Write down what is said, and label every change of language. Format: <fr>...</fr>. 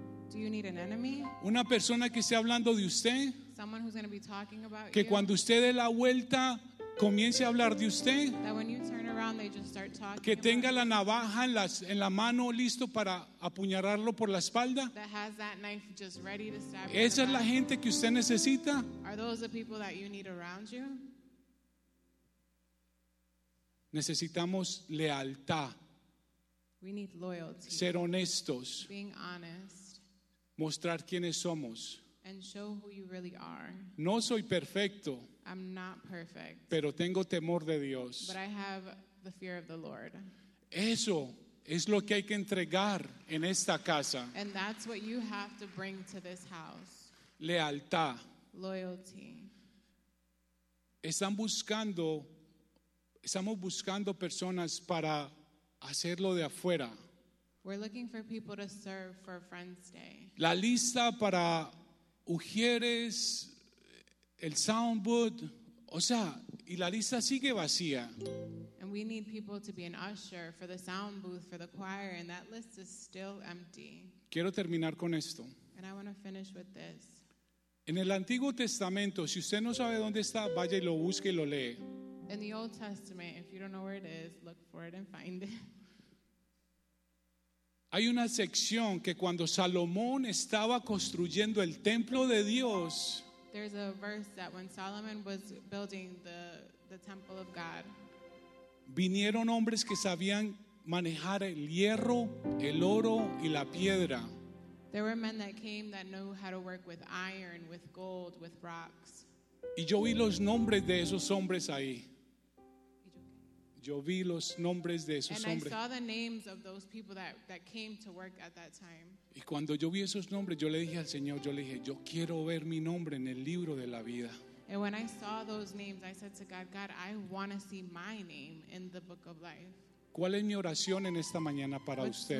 <en>Do you need an enemy?</en> <es>¿Una persona que esté hablando de usted?</es> <en>Someone who's going to be talking about you?</en> <es>¿Que cuando usted dé la vuelta comience a hablar de usted?</es> <en>That when you turn around they just start talking.</en> <es>¿Que tenga la navaja en la mano listo para apuñalarlo por la espalda?</es> <en>That has that knife just ready to stab.</en> <es>¿Esa es la gente que usted necesita?</es> <en>Are those the people that you need around you?</en> <es>Necesitamos lealtad.</es> <en>We need loyalty.</en> <es>Ser honestos.</es> <en>Being honest.</en> <es>Mostrar quiénes somos.</es> <en>And show who you really are.</en> <es>No soy perfecto.</es> <en>I'm not perfect.</en> <es>Pero tengo temor de Dios.</es> <en>But I have the fear of the Lord.</en> <es>Eso es lo que hay que entregar en esta casa.</es> <en>And that's what you have to bring to this house.</en> <es>Lealtad.</es> <en>Loyalty.</en> <es>Estamos buscando personas para hacerlo de afuera.</es> <en>We're looking for people to serve for Friends Day.</en> <es>La lista para Ujieres, el Soundboot, o sea, y la lista sigue vacía.</es> <en>And we need people to be an usher for the sound booth, for the choir, and that list is still empty.</en> <es>Quiero terminar con esto.</es> <en>And I want to finish with this.</en> <es>En el Antiguo Testamento, si usted no sabe dónde está, vaya y lo busque y lo lee.</es> <en>In the Old Testament, if you don't know where it is, look for it and find it.</en> <es>Hay una sección que cuando Salomón estaba construyendo el templo de Dios,</es> <en>there's a verse that when Solomon was building the temple of God,</en> <es>vinieron hombres que sabían manejar el hierro, el oro y la piedra.</es> <en>There were men that came that knew how to work with iron, with gold, with rocks.</en> <es>Y yo vi los nombres de esos hombres ahí. Yo vi los nombres de esos hombres.</es> <en>And I saw the names of those people that came to work at that time.</en> <es>Y cuando yo vi esos nombres, yo le dije al Señor, yo le dije, yo quiero ver mi nombre en el libro de la vida.</es> <en>And when I saw those names, I said to God, God, I want to see my name in the book of life.</en> <es>¿Cuál es mi oración en esta mañana para ustedes?</es>